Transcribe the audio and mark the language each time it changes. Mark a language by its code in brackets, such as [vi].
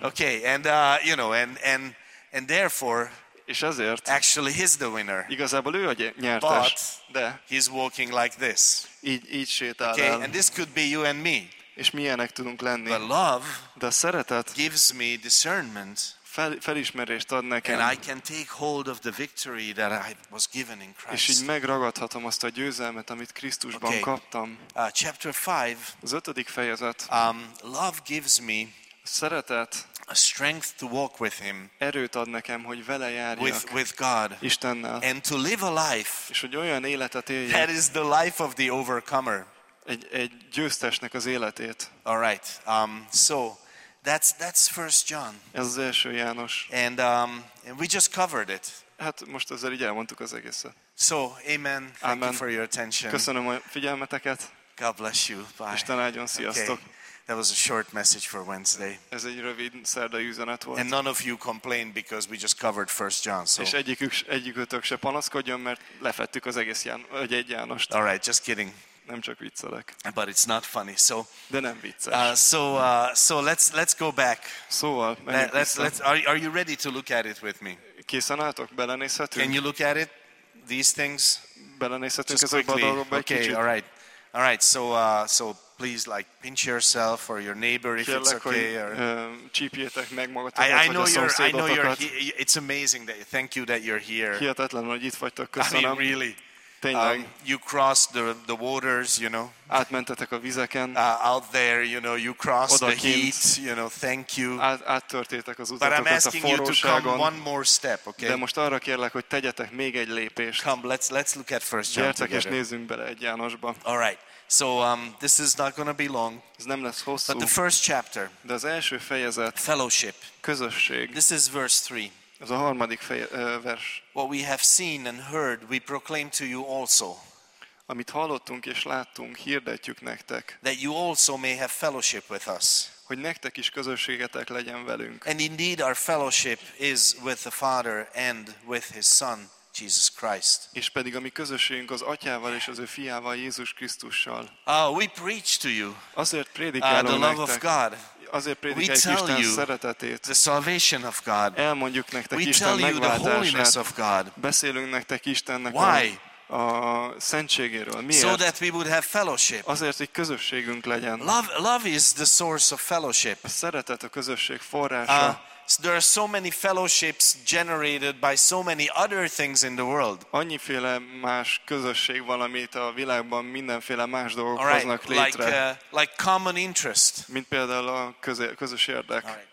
[en] Okay, and you know, and therefore, [hu] és ezért, [en] actually he's the winner. [hu] Igazából ő a nyertes. [en] But [hu] de [en] he's walking like this. [hu] Így sétál. [en] Okay, [hu] el. [en] And this could be you and me. [hu] És milyenek tudunk lenni. [en] But love, [hu] de szeretet, [en] gives me discernment. [hu] Felismerést ad nekem. [en] And I can take hold of the victory that I was given in Christ. [hu] És így megragadhatom azt a győzelmet, amit Krisztusban [en] okay. [hu] kaptam. [en] Chapter 5. [hu] Az ötödik fejezet. [en] Love gives me [hu] szeretet, [en] a strength to walk with him. [hu] Erőt ad nekem, hogy vele járjak. [en] With God. [hu] Istennel. [en] And to live a life. [hu] És hogy olyan életet éljek. [en] That is the life of the overcomer. [hu] Egy győztesnek az életét. [en] All right. That's First John. [hu] Ez az első János. [en] And we just covered it. [hu] Hát most ezzel így elmondtuk az egészet. [en] So, amen. [hu] Amen. [en] Thank you for your attention. [hu] Köszönöm a figyelmeteket. [en] God bless you. Bye. [hu] Isten áldjon, sziasztok. [en] Okay. That was a short message for Wednesday. [hu] Ez egy rövid szerdai üzenet volt. [en] And none of you complained because we just covered First John. So. [hu] És egyikötök se panaszkodjon, mert lefettük az egész Jánost. [en] All right, just kidding. [hu] Nem csak viccelek. [en] But it's not funny. So. [hu] De nem vicces. [en] So let's go back. [hu] Szóval, [en] let's are you ready to look at it with me? [hu] Készen álltok? Belenézhetünk? [en] Can you look at it? These things. [hu] Belenézhetünk ezekbe a dolgokba. [en] Okay. [hu] Kicsit. [en] All right. All right. So please like pinch yourself or your neighbor if [hu] kérlek, [en] it's okay. [hu] Hogy, [en] or. [hu] Csípjétek meg magatokat, vagy a szomszédotokat. [en] I know you're. It's amazing that thank you that you're here. [hu] Hihetetlen, hogy itt vagytok. Köszönöm. [en] I mean, really. You crossed the waters, you know. [hu] Átmentetek a vizeken. [en] Out there, you know, you crossed [hu] odakint, [en] the heat, you know. Thank you. [hu] Áttörtétek az utatokat a forróságon. [en] But I'm asking you to come one more step, okay? [hu] De most arra kérlek, hogy tegyetek még egy lépést. [en] Come, let's look at First John. [hu] Gyertek és nézzünk bele egy Jánosba. [en] All right. So this is not going to be long. [hu] Ez nem lesz hosszú. [en] But the first chapter. [hu] De az első fejezet. [en] Fellowship. [hu] Közösség. [en] This is verse 3. [hu] Ez a harmadik vers. [en] What we have seen and heard, we proclaim to you also. [hu] Amit hallottunk és láttunk, hirdetjük nektek. [en] That you also may have fellowship with us. [hu] Hogy nektek is közösségetek legyen velünk. [en] And indeed our fellowship is with the Father and with his Son, Jesus Christ. [hu] És pedig a mi közösségünk az Atyával és az ő Fiával, Jézus Krisztussal. [en] We preach to you. [hu] Azért prédikálunk [en] the love of God. [hu] Azért prédikáljuk Isten szeretetét. [en] The salvation of God. [hu] Elmondjuk nektek Isten megváltását. [en] We tell you the holiness of God. [hu] Beszélünk nektek Istennek [en] why? [hu] A szentségéről. Miért? [en] So that we would have fellowship. [hu] Azért, hogy közösségünk legyen. [en] Love is the source of fellowship. [hu] A szeretet a közösség forrása. [en] There are so many fellowships generated by so many other things in the world. [hu] Annyiféle más közösség van, amit a világban mindenféle más dolgok [en] right, [hu] hoznak létre. [en] Like common interest. [hu] Mint például a közös érdek.